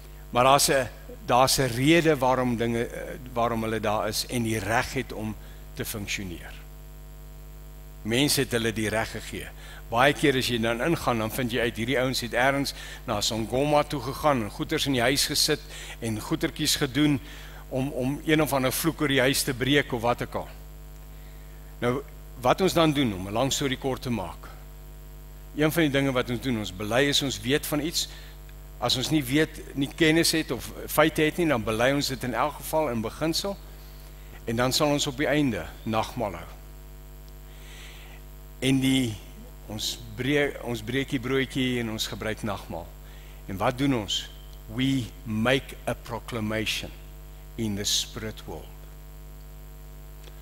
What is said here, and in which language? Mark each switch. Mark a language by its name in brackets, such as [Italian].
[Afrikaans] Maar daar is een rede waarom hulle daar is, en die reg het om te functioneer. Mense het hulle die reg gegee. Baie keer as jy dan ingaan, dan vind jy uit, hierdie ouens het ergens na Songoma toe gegaan, en goeders in die huis gesit, en goederkies gedoen, om een of ander vloek oor die huis te breek, of wat ek al. Nou, wat ons dan doen, om een lang story kort te maak, een van die dinge wat ons doen, ons bely is, ons weet van iets, as ons nie weet, nie kennis het, of feite het nie, dan bely ons dit in elk geval, in beginsel, en dan sal ons op die einde, nagmaal hou. En die, ons breek die broodjie en ons gebruik nagmaal. En wat doen ons? [English] We make a proclamation in the spirit world.